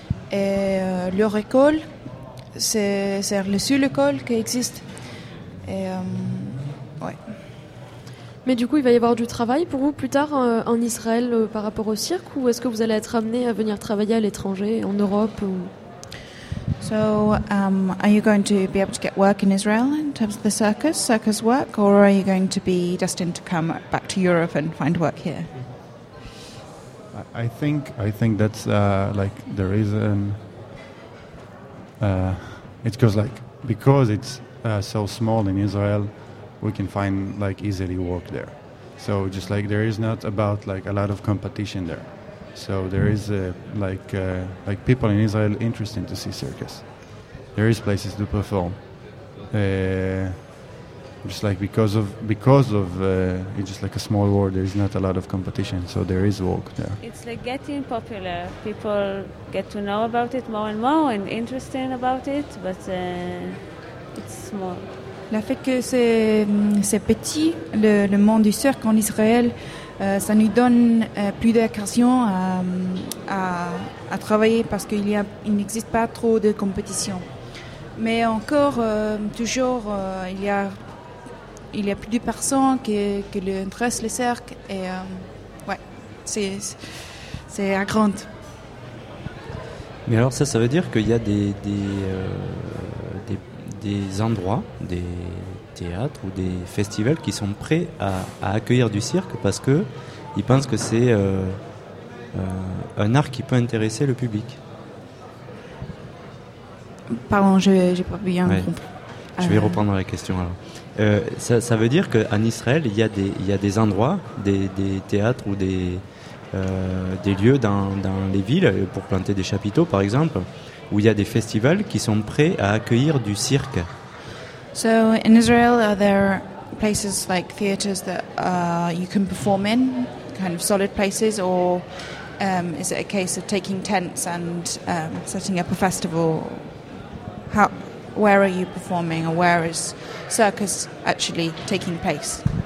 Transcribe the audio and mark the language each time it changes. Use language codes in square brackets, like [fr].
[fr] Et leur école, c'est la seule école qui existe. Et, ouais. Mais du coup, il va y avoir du travail pour vous plus tard en Israël par rapport au cirque ou est-ce que vous allez être amené à venir travailler à l'étranger, en Europe ou... [en] So, are you going to be able to get work in Israel in terms of the circus work, or are you going to be destined to come back to Europe and find work here? I think that's like the reason. It's because like because it's so small in Israel. We can find like easily work there, so just like there is not about like a lot of competition there, so there is like people in Israel interested to see circus. There is places to perform, just like because of it's just like a small world. There is not a lot of competition, so there is work there. It's like getting popular. People get to know about it more and more and interested about it, but it's small. [fr] Le fait que c'est petit, le monde du cirque en Israël, ça nous donne plus d'occasions à travailler parce qu'il n'existe pas trop de compétition. Mais encore, toujours, il y a plus de personnes qui intéressent le cirque et ouais, c'est à grande. Mais alors ça veut dire qu'il y a des endroits, des théâtres ou des festivals qui sont prêts à accueillir du cirque parce que ils pensent que c'est un art qui peut intéresser le public. Pardon, j'ai pas bien compris. Je vais reprendre la question alors. Ça veut dire qu'en Israël, il y a des endroits, des théâtres ou des lieux dans les villes pour planter des chapiteaux, par exemple. Où il y a des festivals qui sont prêts à accueillir du cirque. [en] So in Israel, are there places like theaters that you can perform in, kind of solid places, or is it a case of taking tents and setting up a festival? Where are you performing, or where is circus actually taking place?